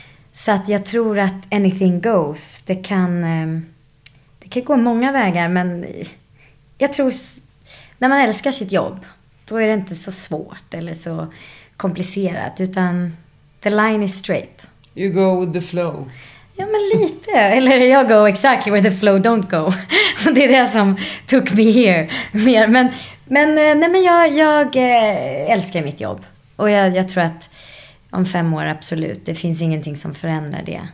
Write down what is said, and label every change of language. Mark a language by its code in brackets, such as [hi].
[sv] Så att jag tror att [en] anything goes. [sv] Det kan gå många vägar. Men jag tror, när man älskar sitt jobb, då är det inte så svårt eller så komplicerat. Utan [en] the line is straight. You go with the flow. [sv] Ja, men lite. Eller jag [en] go exactly where the flow don't go. [sv] Det är det som [en] took me here. [sv] Mer. Men jag älskar mitt jobb. Och jag tror att om 5 år, absolut. Det finns ingenting som förändrar det.